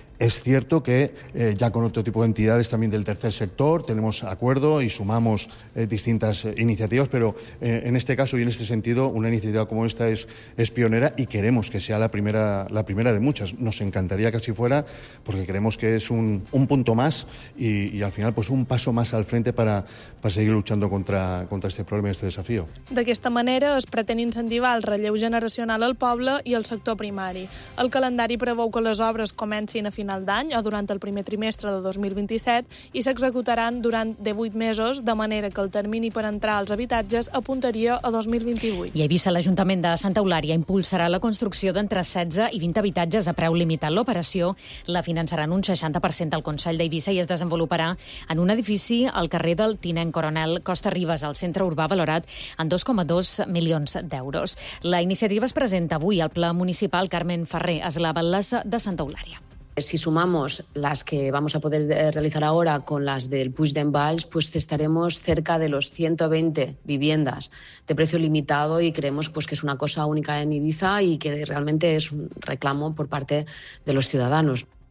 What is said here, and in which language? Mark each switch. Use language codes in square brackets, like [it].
[es] Es cierto que ya con otro tipo de entidades también del tercer sector tenemos acuerdo y sumamos distintas iniciativas, pero en este caso y en este sentido una iniciativa como esta es pionera y queremos que sea la primera de muchas. Nos encantaría que así fuera porque creemos que es un punto más y al final pues un paso más al frente para seguir luchando contra este problema y este desafío. De esta manera [ca] es pretén incentivar el relleu generacional al poble i al sector primari. El calendari preveu que les obres comencin a final d'any o durant el primer trimestre de 2027 i s'executaran durant 18 mesos, de manera que el termini per entrar als habitatges apuntaria a 2028. I a Eivissa, l'Ajuntament de Santa Eulària impulsarà la construcció d'entre 16 i 20 habitatges a preu limitat. L'operació la finançaran un 60% del Consell d'Eivissa i es desenvoluparà en un edifici al carrer del Tinent Coronel Costa Ribes, al centre urbà valorat en 2,2 milions d'euros. La iniciativa es presenta avui al Pla Municipal Carmen Ferrer, és la Balassa de Santa Eulària. [es] Si sumamos las que vamos a poder realizar ahora con las del Puig d'en Valls, pues estaremos cerca de los 120 viviendas de precio limitado y creemos pues que es una cosa única en Eivissa y que realmente es un reclamo por parte de los ciudadanos.